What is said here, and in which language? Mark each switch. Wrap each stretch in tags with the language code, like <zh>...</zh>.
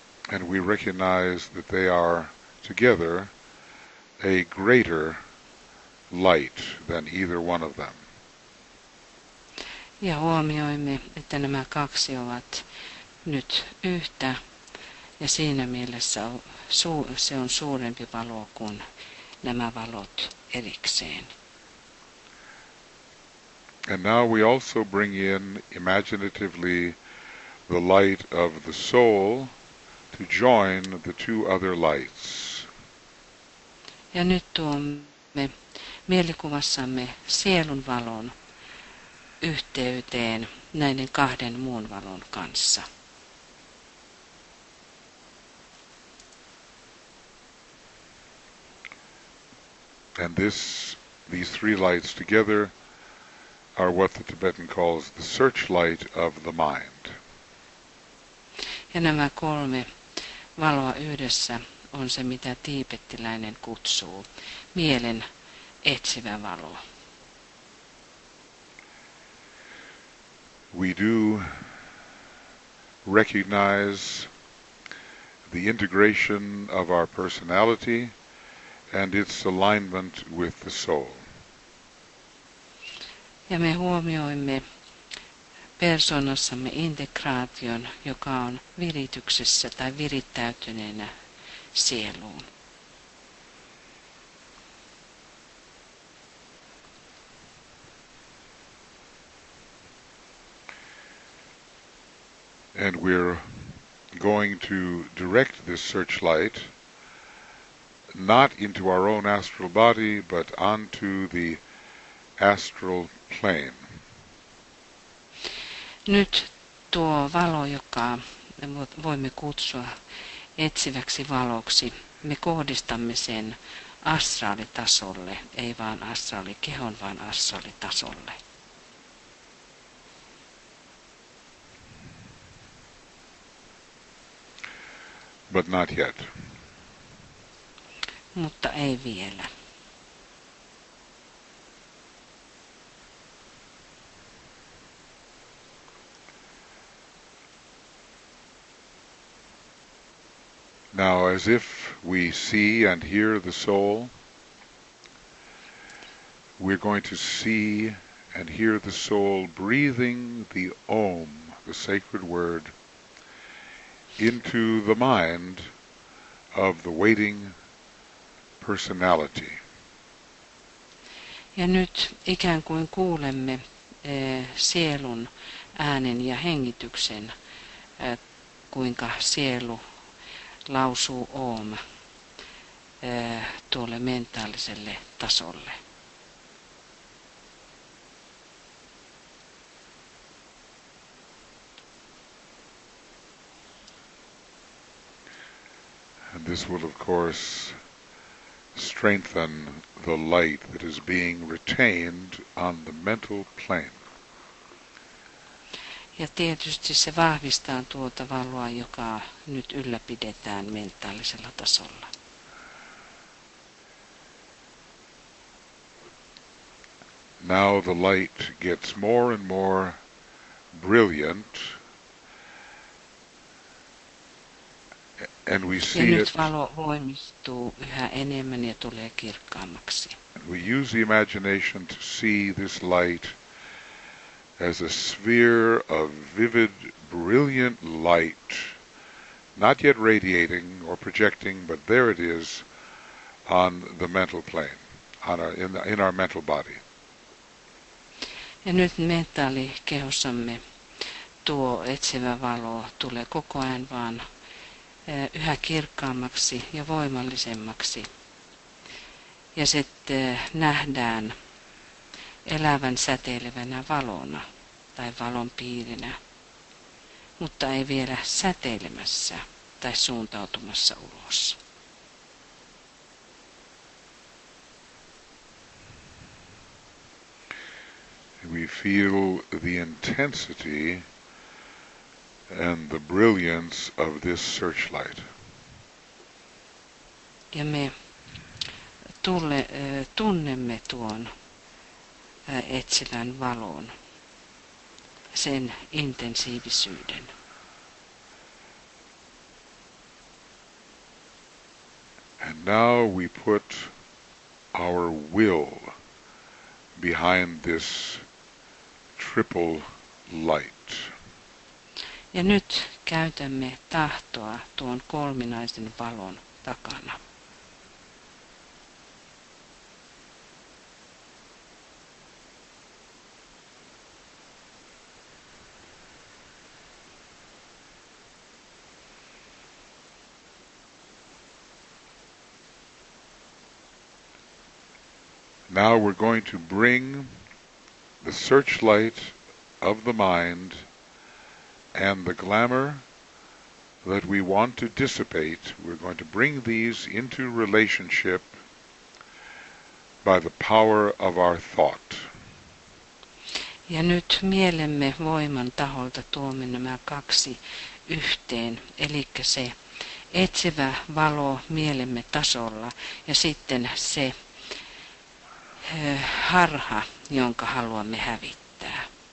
<en>And we recognize that they are together a greater light than either one of them.</en> <fi>Ja huomioimme, että nämä kaksi ovat nyt yhtä, ja siinä mielessä se on suurempi valo kuin nämä valot erikseen.</fi> <en>And now we also bring in imaginatively the light of the soul to join the two other lights.</en> <fi>Ja nyt tuomme me mielikuvassamme sielun valon yhteyteen näiden kahden muun valon kanssa.</fi> <en>And this, these three lights together are what the Tibetan calls the searchlight of the mind.</en> <fi>Ja nämä kolme valoa yhdessä on se, mitä tiibettiläinen kutsuu mielen etsivä valo.</fi> <en>We do recognize the integration of our personality and its alignment with the soul.</en> <fi>Ja me huomioimme persoonassamme integraation, joka on virityksessä tai virittäytyneenä sieluun.</fi> <en>And we're going to direct this searchlight not into our own astral body, but onto the astral plane.</en> <fi>Nyt tuo valo, joka me voimme kutsua etsiväksi valoksi, me kohdistamme sen astraalitasolle, ei vaan astraalikehon, vaan astraalitasolle.</fi> <en>But not yet.</en> <fi>Mutta ei vielä.</fi> <en>Now, as if we see and hear the soul, we're going to see and hear the soul breathing the Om, the sacred word, into the mind of the waiting personality.</en> <fi>Ja nyt ikään kuin kuulemme sielun äänen ja hengityksen, kuinka sielu lausuu Om tuolle mentaaliselle tasolle.</fi> <en>And this will, of course, strengthen the light that is being retained on the mental plane.</en> <fi>Ja tietysti se vahvistaa tuota valoa, joka nyt ylläpidetään mentaalisella tasolla.</fi> <en>Now the light gets more and more brilliant. And we see</en> <fi>ja nyt valo voimistuu yhä enemmän ja tulee kirkkaammaksi.</fi> <en>We use the imagination to see this light as a sphere of vivid, brilliant light, not yet radiating or projecting, but there it is, on the mental plane, on our, in our mental body.</en> <fi>Ja nyt mentaalikehossamme tuo etsivä valo tulee koko ajan vaan yhä kirkkaammaksi ja voimallisemmaksi. Ja sitten nähdään elävän säteilevänä valona tai valon piirinä, mutta ei vielä säteilemässä tai suuntautumassa ulos.</fi> <en>We feel the intensity and the brilliance of this searchlight.</en> <fi>Ja me tunnemme tuon etsivän valon, sen intensiivisyyden.</fi> <en>And now we put our will behind this triple light.</en> <fi>Ja nyt käytämme tahtoa tuon kolminaisen valon takana.</fi> <en>Now we're going to bring the searchlight of the mind and the glamour that we want to dissipate, we're going to bring these into relationship by the power of our thought.</en> <fi>Ja nyt mielemme voiman taholta tuomme nämä kaksi yhteen, eli se etsivä valo mielemme tasolla ja sitten se harha, jonka haluamme hävittää.</fi>